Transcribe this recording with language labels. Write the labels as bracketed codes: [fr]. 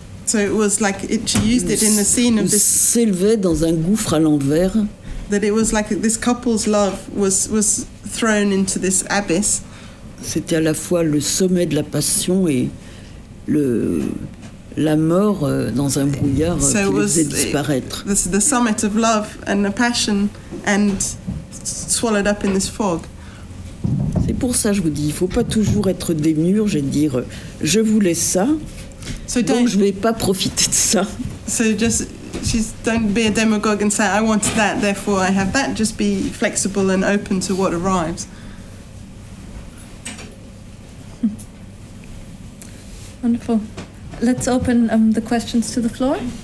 [en] So it was like it, she used it in the scene of this. [fr] S'élevait dans un gouffre à l'envers. [en] That it was like this couple's love was thrown into this abyss. [fr] C'était à la fois le sommet de la passion et la mort dans un brouillard [en] so [fr] qui les faisait disparaître. [en] This is the summit of love and the passion and swallowed up in this fog. [fr] C'est pour ça que je vous dis, il ne faut pas toujours être démurge et dire je voulais ça, [en] so [fr] donc je ne vais pas profiter de ça. [en] So just, don't be a demagogue and say I want that, therefore I have that. Just be flexible and open to what arrives. Wonderful. Let's open the questions to the floor.